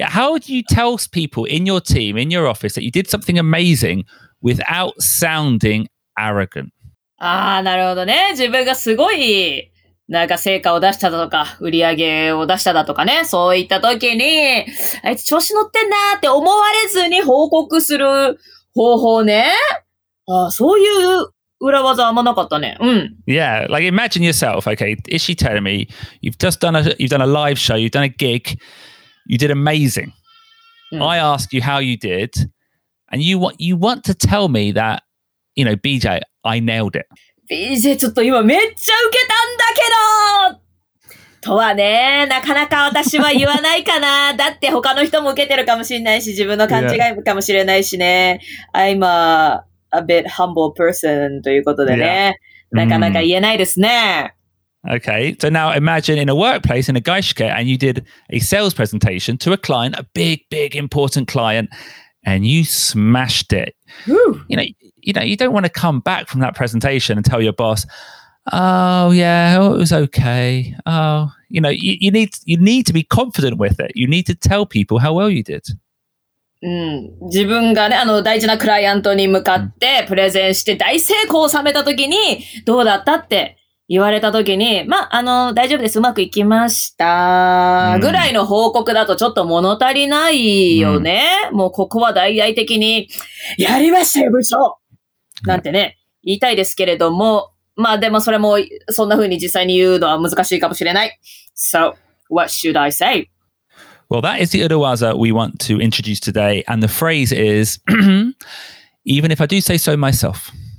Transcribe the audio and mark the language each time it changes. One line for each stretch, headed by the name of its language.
English: How do you tell people in your team, in your office, that you did something amazing without sounding arrogant?
Japanese: Ah, なるほどね。自分がすごい。なんか成果を出しただとか、売り上げを出しただとかね、そういった時に、あいつ調子乗ってんなーって思われずに報告する方法ね。ああ、そういう裏技あんまなかったね。うん。
English: Yeah, like imagine yourself, okay, Ishii Terumi, you've done a live show, you've done a gig, you did amazing.、I ask you how you did, and you want to tell me that, you know, BJ, I nailed it.
Japanese: BJ ちょっと今めっちゃ受けたんだけどとはね、なかなか私は言わないかな。だって他の人も受けてるかもしれないし、自分の勘違いかもしれないしね。
English: Yeah. I'm a, a bit humble person
Japanese: ということでね、
English: yeah.
Japanese: なかなか言えないですね、mm.
English: Okay, so now imagine in a workplace in a gaishike and you did a sales presentation to a client, a big, big, important client, and you smashed it. You know, you don't want to come back from that presentation and tell your boss, oh, yeah, oh, it was okay. Oh, you know, you need to be confident with it. You need to tell people how well you did.
Japanese: うん、自分がね、あの、大事なクライアントに向かってプレゼンして大成功を収めたときに、どうだったって言われたときに、ま、あの、大丈夫です。うまくいきました。ぐらいの報告だとちょっと物足りないよね。うん、もうここは大々的に、やりましたよ、部長なんてね、言いたいですけれども、まあ、でもそれも、そんな風に実際に言うのは難しいかもしれない。
English: So, what should I say? Well, that is the Uruwaza we want to introduce today. And the phrase is, even if I do say so myself.